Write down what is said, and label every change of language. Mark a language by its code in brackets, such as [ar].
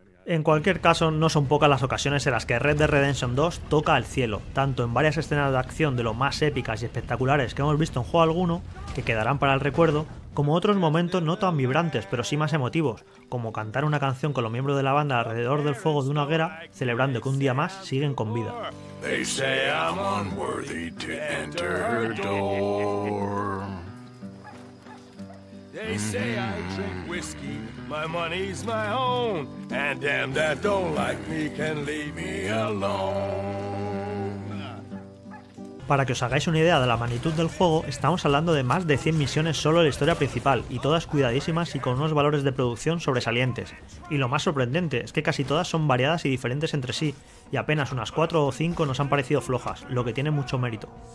[es] En cualquier caso, no son pocas las ocasiones en las que Red Dead Redemption 2 toca al cielo, tanto en varias escenas de acción de lo más épicas y espectaculares que hemos visto en juego alguno, que quedarán para el recuerdo, como otros momentos no tan vibrantes, pero sí más emotivos, como cantar una canción con los miembros de la banda alrededor del fuego de una hoguera, celebrando que un día más siguen con vida. [en] They say I'm unworthy to enter her door. They say I drink whiskey, my money's my own, and them that don't like me can leave me alone. [es] Para que os hagáis una idea de la magnitud del juego, estamos hablando de más de 100 misiones solo en la historia principal, y todas cuidadísimas y con unos valores de producción sobresalientes. Y lo más sorprendente es que casi todas son variadas y diferentes entre sí, y apenas unas 4 o 5 nos han parecido flojas, lo que tiene mucho mérito.